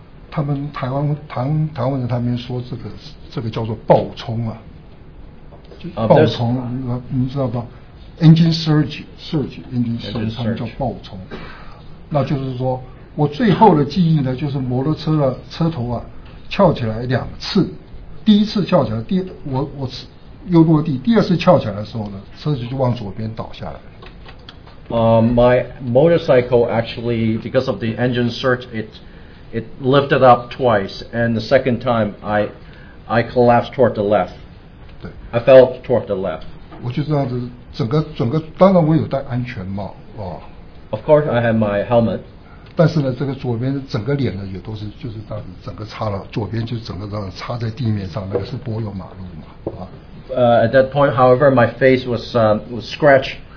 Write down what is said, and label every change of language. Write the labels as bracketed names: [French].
[Chinese] 他们台湾人他们说这个叫做爆冲啊，爆冲，你知道吧 ？ [English] Engine surge，engine surge， [Chinese] 他们叫爆冲。那就是说我最后的记忆呢，就是摩托车的车头啊翘起来两次，第一次翘起来，我又落地，第二次翘起来的时候呢，车子就往左边倒下来。 [English] My motorcycle actually, because of the engine surge, it lifted up twice, and the second time I collapsed toward the left. I fell toward the left. [Chinese] 我就这样子，整个，当然我有戴安全帽啊。 [English] Of course, I have my helmet. [Chinese] 但是呢，这个左边整个脸呢，也都是就是这样子，整个插了，左边就整个这样插在地面上，那个是柏油马路嘛，啊。 [English] At that point, however, my face was scratched.